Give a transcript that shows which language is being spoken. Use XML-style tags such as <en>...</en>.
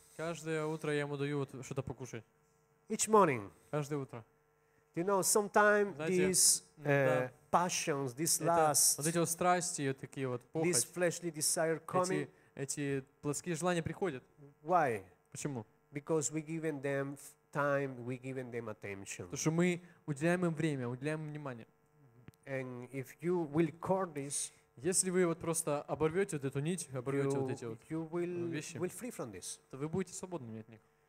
<ru>Каждое утро я ему даю вот что-то покушать.</ru> <en>Each morning.</en> <ru>Каждое утро.</ru> <en>You know, sometimes these passions, this lust,</en> <ru>вот эти вот страсти, такие вот похоть,</ru> <en>this fleshly desire coming,</en> <ru>эти плотские желания приходят.</ru> <en>Why?</en> <ru>Почему?</ru> <en>Because we given them time, we given them attention.</en> <ru>Потому что мы уделяем им время, уделяем им внимание.</ru> <en>And if you will cord this,</en> <ru>если вы вот просто оборвете вот эту нить, оборвете вот эти вот вещи,</ru> <en>will free from this,</en> <ru>то вы будете свободными от них.</ru>